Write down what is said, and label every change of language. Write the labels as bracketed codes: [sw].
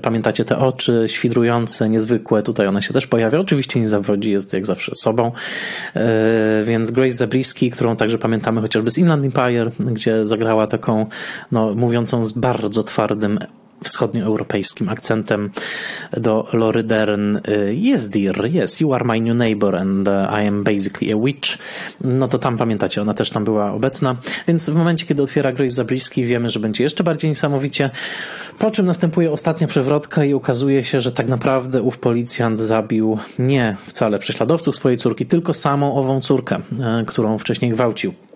[pl] Pamiętacie te oczy świdrujące, niezwykłe? Tutaj ona się też pojawia. Oczywiście nie zawodzi, jest jak zawsze sobą. Więc Grace Zabriskie, którą także pamiętamy chociażby z Inland Empire, gdzie zagrała taką, no, mówiącą z bardzo twardym wschodnioeuropejskim akcentem do Lori Dern. [en] Yes, dear, yes, you are my new neighbor and I am basically a witch. [pl] No to tam pamiętacie, ona też tam była obecna. Więc w momencie, kiedy otwiera Grace Zabriskie, wiemy, że będzie jeszcze bardziej niesamowicie. Po czym następuje ostatnia przewrotka i okazuje się, że tak naprawdę ów policjant zabił nie wcale prześladowców swojej córki, tylko samą ową córkę, którą wcześniej gwałcił.